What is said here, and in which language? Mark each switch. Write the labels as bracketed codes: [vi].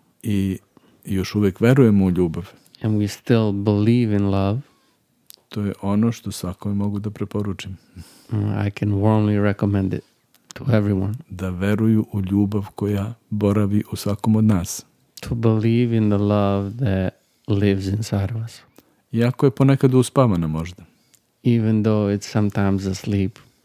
[sr] I još uvek verujemo u ljubav. [en] And we still believe in love. [sr] To je ono što svakome mogu da preporučim. [en] I can warmly recommend it to everyone. [sr] Da veruju u ljubav koja boravi u svakom od nas. [en] To believe in the love that lives inside of us. [sr] Iako je ponekad uspavana možda. [en] Even though it's sometimes asleep.